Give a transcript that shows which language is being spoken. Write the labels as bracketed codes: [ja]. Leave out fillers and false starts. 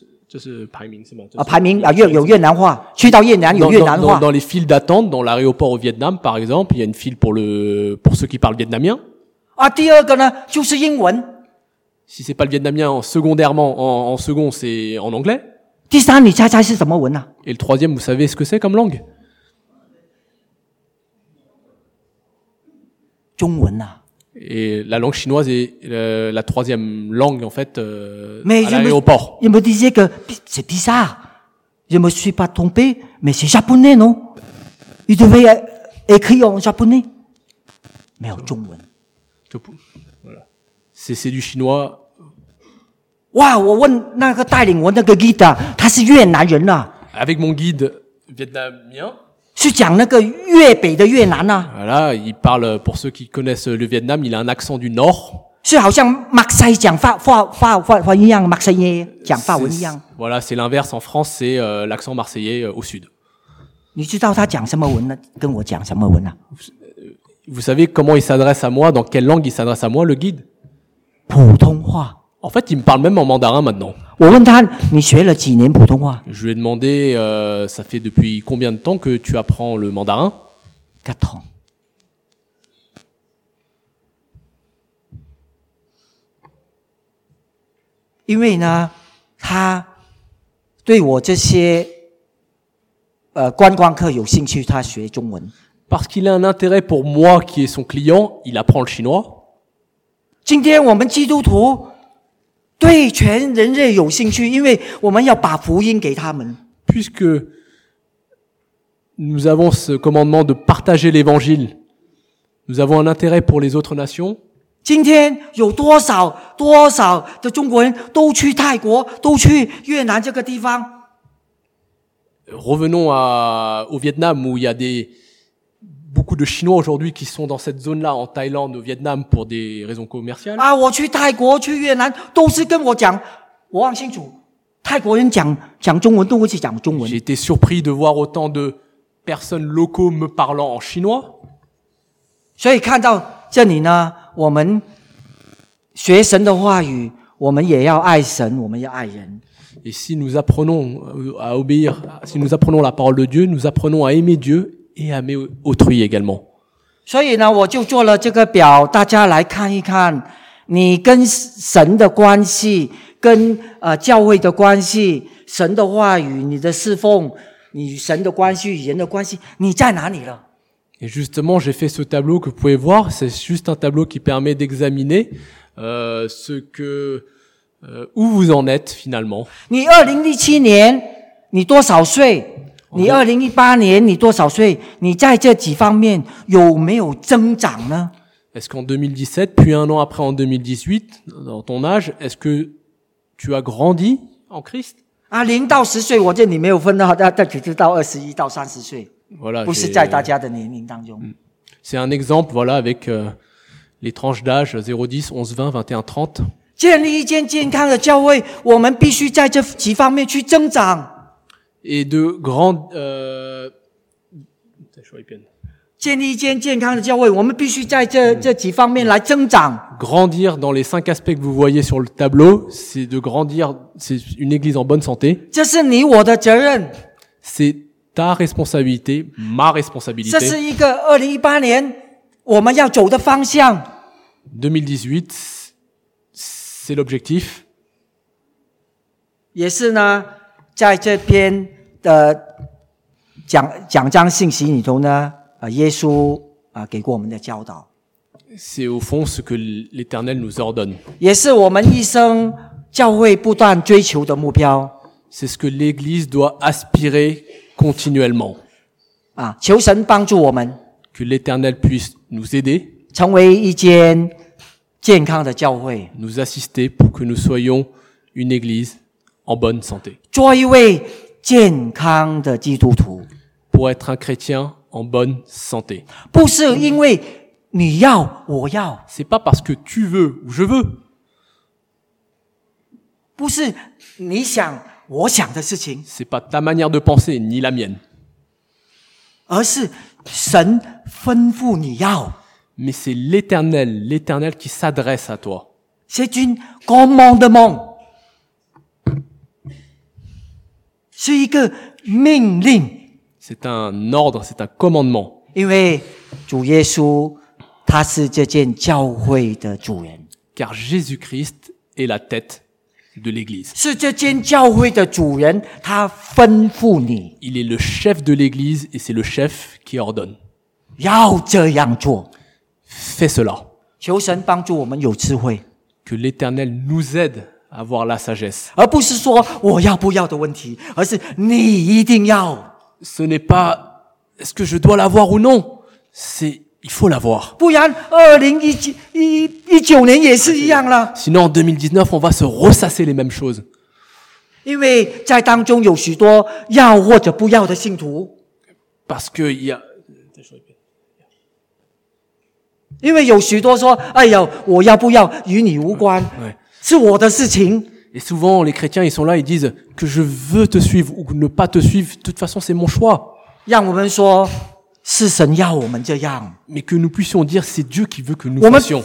[zh] 这是排名是吗？啊，排名啊，越有越南话。去到越南有越南话。 [fr] Dans les files d'attente, dans l'aéroport au Vietnam, par exemple, il y a une file pour ceux qui parlent vietnamien. [zh] 啊，第二个呢，就是英文。 [fr] Si c'est pas le vietnamien, secondairement, en second, c'est en anglais. [zh] 第三，你猜猜是什么文啊？ [fr] Et le troisième, vous savez ce que c'est comme langue? [zh] 中文啊。 [fr] Et la langue chinoise est la troisième langue, en fait, à l'aéroport. Il me disait que c'est bizarre. Je me suis pas trompé, mais c'est japonais, non? Il devait écrire en japonais. Mais en 中文. C'est du chinois. [zh] 哇，我问那个带领我那个 guide， 他是越南人呐。 [fr] Avec mon guide vietnamien. [zh] 是讲那个越北的越南啊。 [fr] voilà, il parle, pour ceux qui connaissent le Vietnam, il a un accent du nord. [zh] 是好像马赛讲法一样，马赛耶讲法文一样。 [fr] voilà, c'est l'inverse en France, c'est l'accent marseillais au sud. [zh] 你知道他讲什么文呢？跟我讲什么文啊？ [fr] Vous savez comment il s'adresse à moi, dans quelle langue il s'adresse à moi, le guide? [zh] 普通话。 [fr] En fait, il me parle même en mandarin maintenant. [zh] 我问他，你学了几年普通话？ [fr] Je lui ai demandé, ça fait depuis combien de temps que tu apprends le mandarin? 4 ans. Parce que, [zh] 他对我这些观光客有兴趣，他学中文。 [fr] Parce qu'il a un intérêt pour moi qui est son client, il apprend le chinois. [zh] 今天我们基督徒对全人类有兴趣，因为我们要把福音给他们。 [fr] Puisque nous avons ce commandement de partager l'évangile, nous avons un intérêt pour les autres nations. [zh] 今天有多少多少的中国人都去泰国，都去越南这个地方。 [fr] Revenons au Vietnam où il y a beaucoup de Chinois aujourd'hui qui sont dans cette zone-là, en Thaïlande, au Vietnam, pour des raisons commerciales. [zh] Ah, 我去泰国，去越南，都是跟我讲，我很清楚，泰国人讲中文，都会去讲中文。 [fr] J'ai été surpris de voir autant de personnes locaux me parlant en chinois. [zh] 所以看到这里呢，我们学神的话语，我们也要爱神，我们要爱人。 [fr] Et si nous apprenons à obéir, si nous apprenons la parole de Dieu, nous apprenons à aimer Dieu. Et à mes autrui également. [zh] 所以呢，我就做了这个表，大家来看一看，你跟神的关系，跟教会的关系，神的话语，你的侍奉，你与神的关系，与人的关系，你在哪里了？ [fr] Et justement, j'ai fait ce tableau que vous pouvez voir. C'est juste un tableau qui permet d'examiner où vous en êtes finalement. [zh] 你2017年，你多少岁？你2018年你多少岁？你在这几方面有没有增长呢？ [fr] Est-ce qu'en 2017, puis un an après en 2018, dans ton âge, est-ce que tu as grandi en Christ? [zh] 啊，零到十岁，我这里没有分到，但只是到二十一到三十岁。 [fr] Voilà, [zh] 不是在大家的年龄当中。 [fr] C'est un exemple, voilà, avec les tranches d'âge 0, 10, 11, 20, 21, 30. [zh] 建立一间健康的教会，我们必须在这几方面去增长。 [fr] Et de grandes, [zh] 建立一间健康的教会，我们必须在这几方面来增长。 [fr] Grandir dans les cinq aspects que vous voyez sur le tableau, c'est de grandir, c'est une église en bonne santé. [zh] 这是你我的责任。 [fr] C'est ta responsabilité, ma responsabilité. [zh] 这是一个2018年我们要走的方向。 [fr] 2018, c'est l'objectif. [zh] 也是呢。在这篇的讲章信息里头呢，耶稣给过我们的教导。 [fr] C'est au fond ce que l'Éternel nous ordonne. [zh] 也是我们一生教会不断追求的目标。 [fr] C'est ce que l'Église doit aspirer continuellement. [zh] 啊，求神帮助我们。 [fr] Que l'Éternel puisse nous aider. [zh] 成为一间健康的教会。 [fr] Nous assister pour que nous soyons une Église. En bonne santé. [zh] 做一位健康的基督徒。 [fr] Pour être un chrétien en bonne santé. [zh] 不是因为你要我要。 [fr] C'est pas parce que tu veux ou je veux. [zh] 不是你想我想的事情。 [fr] C'est pas ta manière de penser ni la mienne. [zh] 而是神吩咐你要。 [fr] Mais c'est l'Éternel qui s'adresse à toi. C'est un commandement. [zh] 是一个命令。 [fr] C'est un ordre, c'est un commandement. [zh] 因为主耶稣他是这间教会的主人。 [fr] Car Jésus-Christ est la tête de l'Église. [zh] 是这间教会的主人他吩咐你。 [fr] Il est le chef de l'Église et c'est le chef qui ordonne. [zh] 要这样做。 [fr] Fais cela. [zh] 求神帮助我们有智慧。 [fr] Que l'Éternel nous aide. Avoir la sagesse. [zh] 而不是说我要不要的问题，而是你一定要。 [fr] Ce n'est pas est-ce que je dois l'avoir ou non, c'est il faut l'avoir. [zh] 不然2019年也是一样了。 [fr] Sinon en 2019, on va se ressasser les mêmes choses. [zh] 因为在当中有许多要或者不要的信徒。 [fr] parce que il y a. Parce qu'il y a beaucoup de gens qui disent, ah, oui, je veux pas, ça ne me concerne pas. C'est mon choix. Et souvent, les chrétiens, ils sont là, ils disent que je veux te suivre ou ne pas te suivre. De toute façon, c'est mon choix. Mais que nous puissions dire, c'est Dieu qui veut que nous fassions.